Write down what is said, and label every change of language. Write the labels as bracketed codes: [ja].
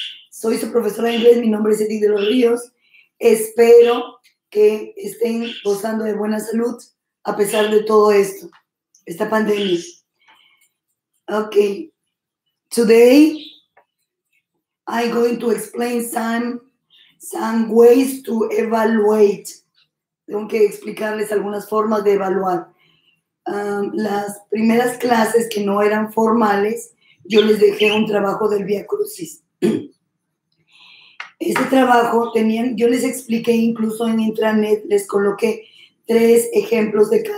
[es] Soy su profesora de inglés, mi nombre es Edith de los Ríos. Espero que estén gozando de buena salud a pesar de todo esto, esta pandemia. [en] Okay, today I'm going to explain some ways to evaluate. [es] Tengo que explicarles algunas formas de evaluar. Las primeras clases que no eran formales, yo les dejé un trabajo del Vía Crucis. Este trabajo tenían, yo les expliqué incluso en intranet, les coloqué tres ejemplos.